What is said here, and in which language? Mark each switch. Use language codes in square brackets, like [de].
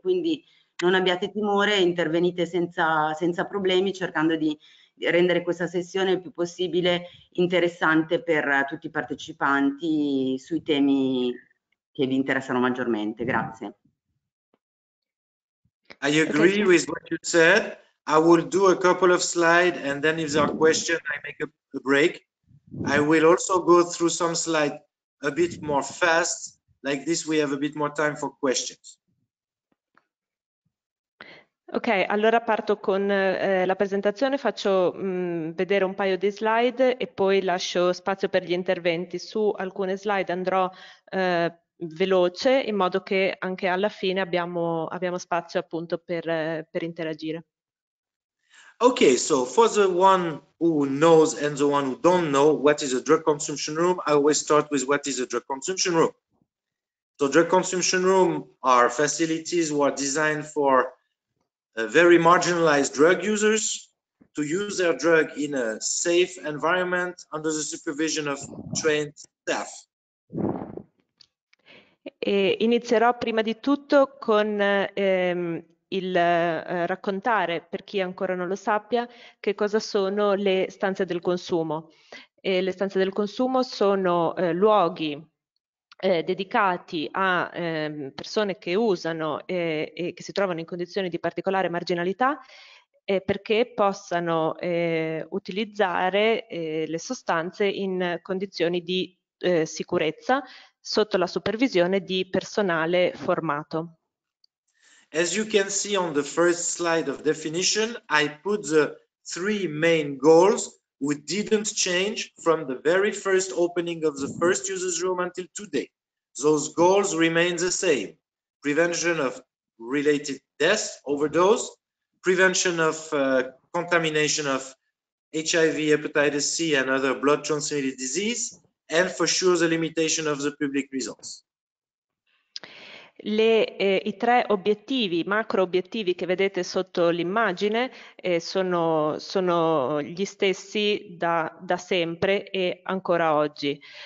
[it] Quindi non abbiate timore, intervenite senza problemi, cercando di rendere questa sessione il più possibile interessante per tutti i partecipanti sui temi che vi interessano maggiormente. Grazie. [en] I Okay, agree with what you said. I will do a couple of slides and then if there are questions, I make a break. I will also go through some slides a bit more fast. Like this, we have a bit more time for questions. [it] allora parto con la presentazione, faccio vedere un paio di slide e poi lascio spazio per gli interventi. Su alcune slide andrò veloce, in modo che anche alla fine abbiamo spazio appunto per interagire. [en] Okay, so for the one who knows and the one who don't know what is a drug consumption room, I always start with what is a drug consumption room. So drug consumption room are facilities who are designed for very marginalized drug users to use their drug in a safe environment under the supervision of trained staff. [it] E inizierò prima di tutto con raccontare, per chi ancora non lo sappia, che cosa sono le stanze del consumo. Le stanze del consumo sono luoghi dedicati a persone che usano e che si trovano in condizioni di particolare marginalità perché possano utilizzare le sostanze in condizioni di sicurezza, sotto la supervisione di personale formato. [en] As you can see on the first slide of definition, I put the three main goals we didn't change from the very first opening of the first users room until today. Those goals remain the same: prevention of related deaths, overdose, prevention of contamination of HIV, hepatitis C, and other blood transmitted disease, and for sure the limitation of the public results. [it] I tre obiettivi, macro obiettivi che vedete sotto l'immagine sono gli stessi da sempre e ancora oggi.